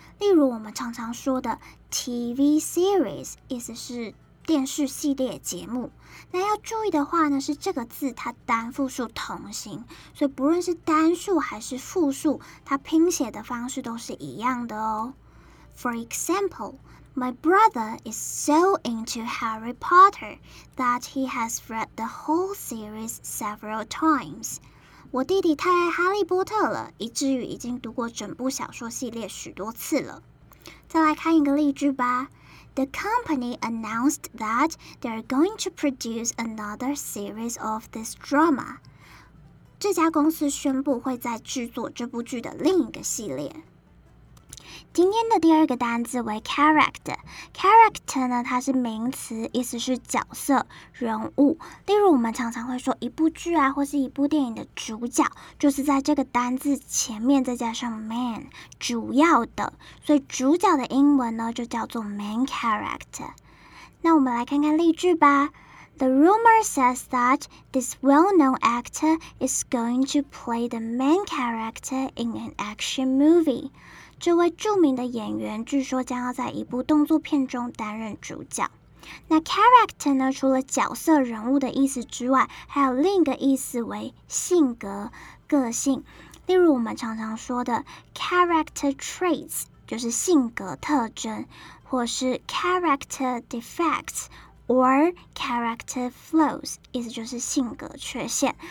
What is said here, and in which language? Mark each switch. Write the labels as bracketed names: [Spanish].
[Chinese] 例如我们常常说的 TV series， 意思是电视系列节目。那要注意的话呢，是这个字它单复数同形，所以不论是单数还是复数，它拼写的方式都是一样的哦。 [English] For example，My brother is so into Harry Potter that he has read the whole series several times. [Chinese] 我弟弟太爱哈利波特了，以至于已经读过整部小说系列许多次了。再来看一个例句吧。 [English] The company announced that they are going to produce another series of this drama. [Chinese] 这家公司宣布会在制作这部剧的另一个系列。今天的第二个单字为 character， character 呢，它是名词，意思是角色、人物。例如我们常常会说一部剧啊，或是一部电影的主角，就是在这个单字前面再加上 man， 主要的。所以主角的英文呢，就叫做 main character。那我们来看看例句吧。 [English] The rumor says that this well-known actor is going to play the main character in an action movie. [Chinese] 这位著名的演员据说将要在一部动作片中担任主角。那 character 呢，除了角色人物的意思之外，还有另一个意思为性格、个性。例如我们常常说的 character traits， 就是性格特征，或是 [English] character defects or character flaws， [Chinese] 意思就是性格缺陷。